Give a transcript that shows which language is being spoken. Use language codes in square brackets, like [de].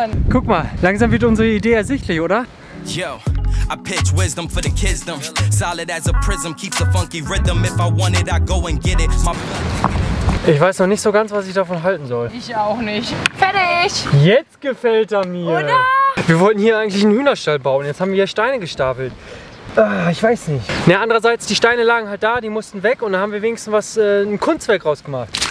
[de] Guck mal, langsam wird unsere Idee ersichtlich, oder? [en] Yo, I pitch wisdom for the kisdom. Solid as a prism, keeps a funky rhythm. If I want it, I go and get it. [de] Ich weiß noch nicht so ganz, was ich davon halten soll. Ich auch nicht. Fertig! Jetzt gefällt er mir! Oder? Wir wollten hier eigentlich einen Hühnerstall bauen. Jetzt haben wir hier Steine gestapelt. Ich weiß nicht. Ne, andererseits, die Steine lagen halt da, die mussten weg. Und da haben wir wenigstens was, ein Kunstwerk rausgemacht.